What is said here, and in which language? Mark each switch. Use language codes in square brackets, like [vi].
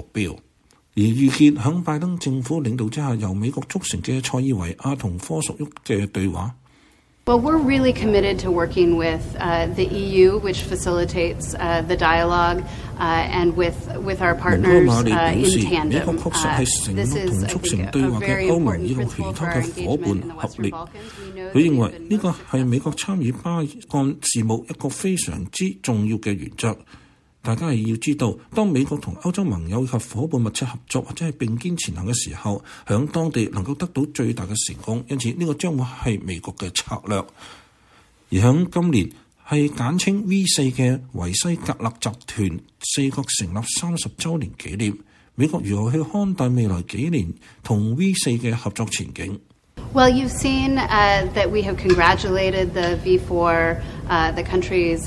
[zh] So,而預見在拜登政府領導之下，由美國促成的塞爾維亞和科索沃的對話。 [en] Well, we're really committed to working with the EU, which facilitates the dialogue, and with our partners in tandem. This is a very important principle for our engagement in the Western Balkans. We know even even in [zh] 大家要知道，当美国同欧洲盟友及伙伴密切合作或者是并肩前行的时候，在当地能够得到最大的成功，因此这个将会是美国的策略。而在今年是简称 V4 的维西格勒集团四国成立30周年纪念，美国如何去看待未来几年同 V4 的合作前景？ [en] Well, you've seen that we have congratulated the V4, the countries,